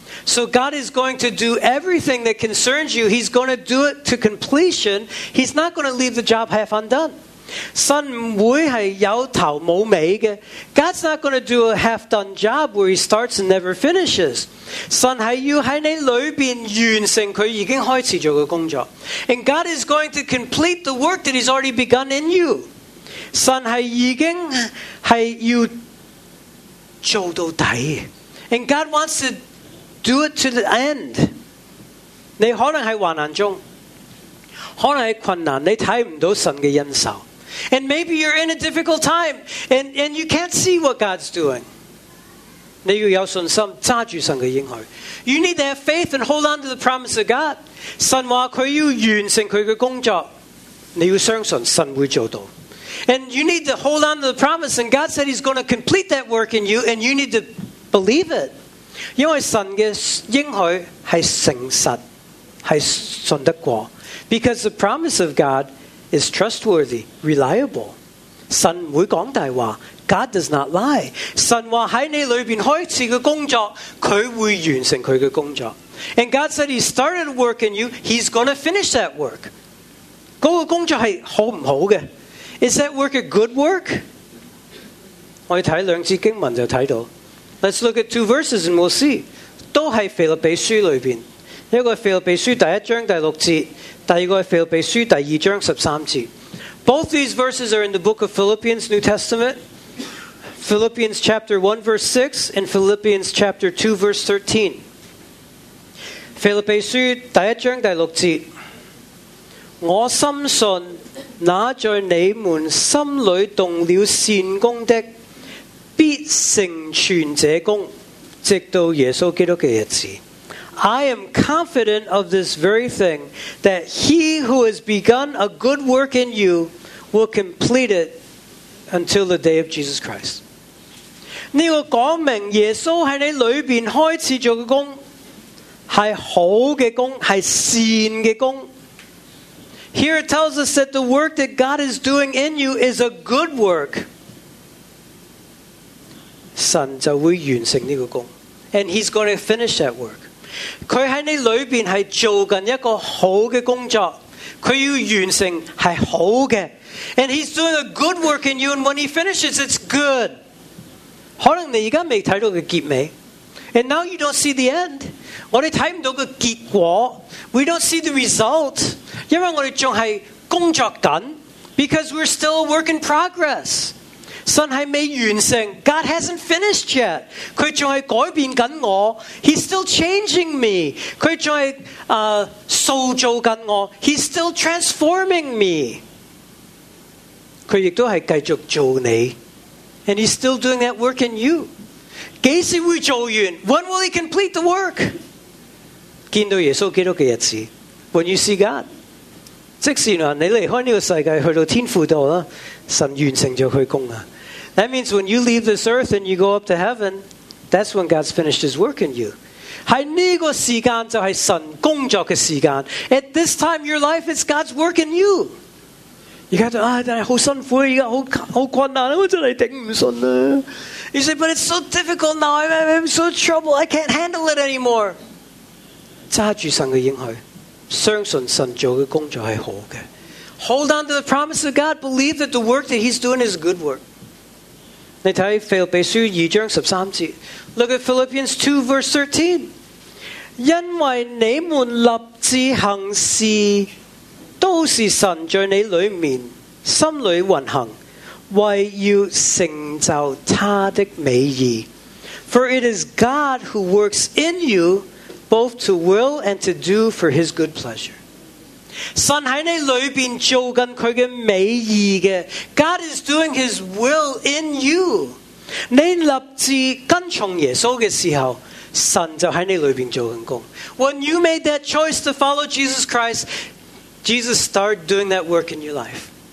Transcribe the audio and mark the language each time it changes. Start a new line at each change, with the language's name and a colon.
English: So God is going to do everything that concerns you. He's going to do it to completion. He's not going to leave the job half undone.
Chinese: 神不会是有头没尾的。
English: God's not going to do a half-done job where he starts and never finishes.
Chinese: 神是要在你里面完成他已经开始做的工作。
English: And God is going to complete the work that he's already begun in you.
Chinese: 神是已经是要做到底。
English: And God wants to do it to the end.
Chinese: 你可能在患难中，可能在困难，你看不到神的恩手。
English: And maybe you're in a difficult time and you can't see what God's doing.
Chinese: 你要有信心，揸住神的应许。
English: You need to have faith and hold on to the promise of God.
Chinese: 神话他要完成他的工作，你要相信神会做到。
English: And you need to hold on to the promise, and God said he's going to complete that work in you, and you need to believe it.
Chinese: 因为神的应许是诚实，是信得过。
English: Because the promise of God is trustworthy, reliable.
Chinese: 神不会讲大话。
English: God does not lie.
Chinese: 神说在你里面开始的工作，他会完成他的工作。
English: And God said he started work in you, he's going to finish that work.
Chinese: 那个工作是好不好的？
English: Is that work a good work?
Chinese: 我们看两节经文就看到。
English: Let's look at two verses and we'll see.
Chinese: 都是腓立比书里面，一个腓立比书第一章第六节，第二个腓立比书第二章十三节。
English: Both these verses are in the book of Philippians, New Testament. Philippians chapter 1 verse 6 and Philippians chapter 2 verse 13.
Chinese: 腓立比书第一章第六节，我深信那在你们心里动了善功的必成全这功，直到耶稣基督的日子。
English: I am confident of this very thing, that he who has begun a good work in you will complete it until the day of Jesus Christ.
Chinese: 这个说明耶稣在你里面开始做的工是好的工，是善的工。
English: Here it tells us that the work that God is doing in you is a good work.
Chinese: 神就会完成这个工，
English: and he's going to finish that work.
Chinese: 他在你里面是做着一个好的工作，他要完成是好的。
English: And he's doing a good work in you, and when he finishes, it's good.
Chinese: 可能你现在没看到的结尾，
English: And now you don't see the end.
Chinese: 我们看不到的结果，
English: We don't see the result.
Chinese: 因为我们还在工作中，
English: Because we're still a work in progress.
Chinese: 神还没完成，
English: God hasn't finished yet.
Chinese: 他还在改变着我，
English: He's still changing me.
Chinese: 他还在塑造着我，
English: He's still transforming me.
Chinese: 他也是继续做你，
English: And he's still doing that work in you.
Chinese: 几时会做完？
English: When will he complete the work?
Chinese: 见到耶稣基督的日子，
English: When you see God.
Chinese: 即使你离开这个世界去到天父道，神完成了他的工。
English: That means when you leave this earth and you go up to heaven, that's when God's finished his work in you.
Chinese: 在这个时间就是神工作的时间。
English: At this time your life is God's work in you.
Chinese: 现在就很辛苦，现在 很困难，我真的顶不顺。
English: You say, but it's so difficult now, I'm so troubled, I can't handle it anymore.
Chinese: 抓住神的应许，相信神做的工作是好的。
English: Hold on to the promise of God. Believe that the work that he's doing is good work.
Chinese: 你看腓立比书二章十三节，
English: Look at Philippians 2 verse 13.
Chinese: 因为你们立志行事，都是神在你里面心里运行，为要成就他的美意。
English: For it is God who works in you both to will and to do for his good pleasure.
Chinese: 神在你里面做着他的美意的。
English: God is doing his will in you.
Chinese: 你立志跟从耶稣的时候，神就在你里面做着工。
English: When you made that choice to follow Jesus Christ, Jesus started doing that work in your life.